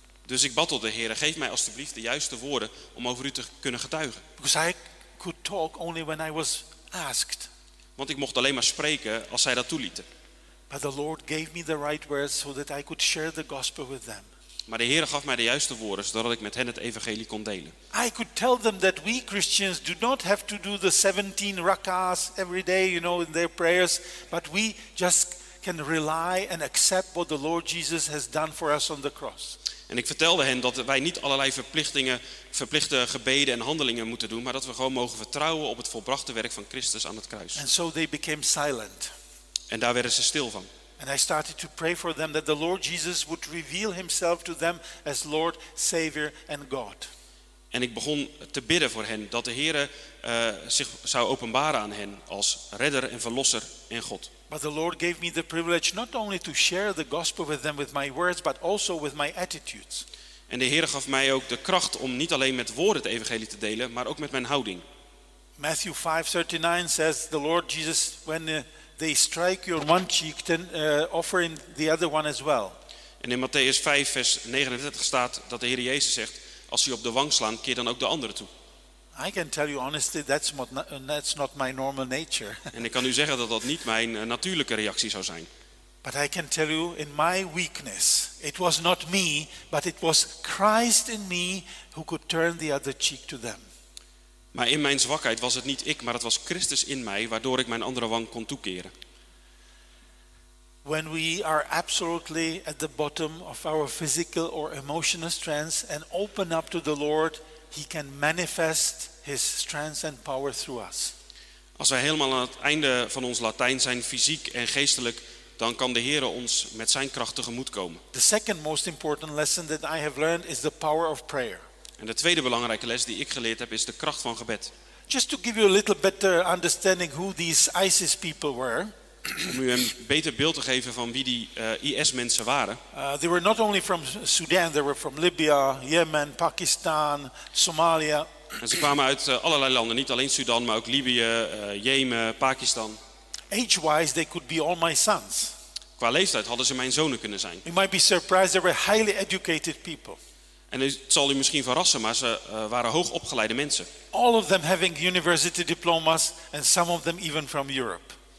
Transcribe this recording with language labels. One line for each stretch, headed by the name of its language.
Dutch: Dus ik bad tot de Heer, geef mij alstublieft de juiste woorden om over u te kunnen getuigen.
English: Because I could talk only when I was asked.
Dutch: Want ik mocht alleen maar spreken als zij dat toelieten.
English: But the Lord gave me the right words so that I could share the gospel with them.
Dutch: Maar de Heer gaf mij de juiste woorden zodat ik met hen het evangelie kon delen.
English: I could tell them that we Christians do not have to do the 17 rak'ahs every day, you know, in their prayers, but we just can rely and accept what the Lord Jesus has done for us on the cross.
Dutch: En ik vertelde hen dat wij niet allerlei verplichte gebeden en handelingen moeten doen, maar dat we gewoon mogen vertrouwen op het volbrachte werk van Christus aan het kruis.
English: And so they became silent.
Dutch: En daar werden ze stil van.
English: And I started to pray for them that the Lord Jesus would reveal himself to them as Lord, Savior and God.
Dutch: En ik begon te bidden voor hen dat de Heere zich zou openbaren aan hen als redder en verlosser en God.
English: But the Lord gave me the privilege not only to share the gospel with them with my words but also with my attitudes.
Dutch: En de Heere gaf mij ook de kracht om niet alleen met woorden het evangelie te delen, maar ook met mijn houding.
English: Matthew 5:39 says the Lord Jesus when they strike you on one cheek, then offer in the other one as well.
Dutch: En in Matthäus 5 vers 39 staat dat de Heer Jezus zegt: als ze je op de wang slaan, keer dan ook de andere toe.
English: I can tell you honestly, that's not my normal nature.
Dutch: En ik kan u zeggen dat dat niet mijn natuurlijke reactie zou zijn.
English: But I can tell you, in my weakness, it was not me, but it was Christ in me who could turn the other cheek to them.
Dutch: Maar in mijn zwakheid was het niet ik, maar het was Christus in mij, waardoor ik mijn andere wang kon toekeren.
English: When we are absolutely at the bottom of our physical or emotional strengths and open up to the Lord, he can manifest his strength and power through us.
Dutch: Als wij helemaal aan het einde van ons latijn zijn, fysiek en geestelijk, dan kan de Heer ons met zijn kracht tegemoet komen.
English: The second most important lesson that I have learned is the power of prayer.
Dutch: En de tweede belangrijke les die ik geleerd heb is de kracht van gebed.
English: Just to give you a little better understanding who these ISIS people were.
Dutch: Om u een beter beeld te geven van wie die IS-mensen waren.
English: They were not only from Sudan, they were from Libya, Yemen, Pakistan, Somalia.
Dutch: En ze kwamen uit allerlei landen, niet alleen Sudan, maar ook Libië, Jemen, Pakistan.
English: Age-wise, they could be all my sons.
Dutch: Qua leeftijd hadden ze mijn zonen kunnen zijn.
English: You might be surprised, they were highly educated people.
Dutch: En het zal u misschien verrassen, maar ze waren hoogopgeleide mensen.
English: All of them having university diplomas and some of them even from Europe.